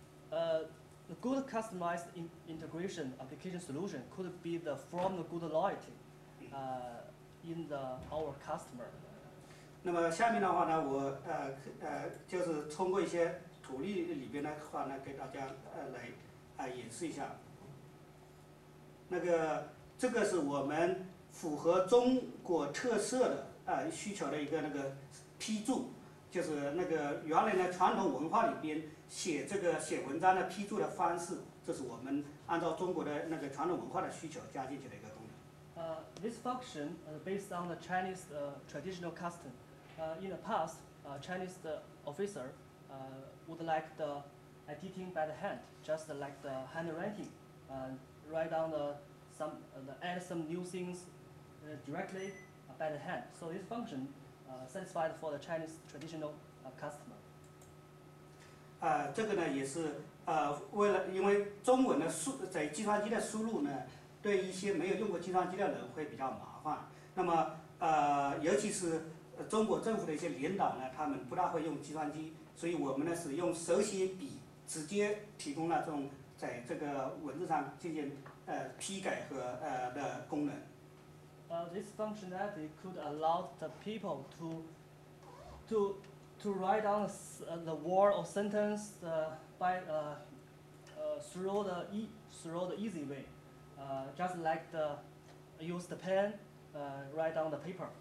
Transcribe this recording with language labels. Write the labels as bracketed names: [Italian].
[English] The good customized integration application solution could be the form of good loyalty in our customer. [Chinese] 那么下面的话呢，我就是通过一些图例里边的话呢，给大家演示一下。那个这个是我们符合中国特色的需求的一个那个批注，就是那个原来呢传统文化里边写这个写文章的批注的方式，这是我们按照中国的那个传统文化的需求加进去的一个功能。 [English] This function based on the Chinese traditional custom. In the past, Chinese officer would like the editing by the hand, just like the handwriting, write down add some new things directly by the hand. So this function satisfied for the Chinese traditional customer. [Chinese] 这个呢也是为了因为中文的在计算机的输入呢，对一些没有用过计算机的人会比较麻烦。那么尤其是中国政府的一些领导呢，他们不大会用计算机，所以我们呢是用手写笔直接提供了这种在这个文字上进行批改和的功能。 [English] This functionality could allow the people to write down the word or sentence through the easy way, just like the use the pen, write down the paper.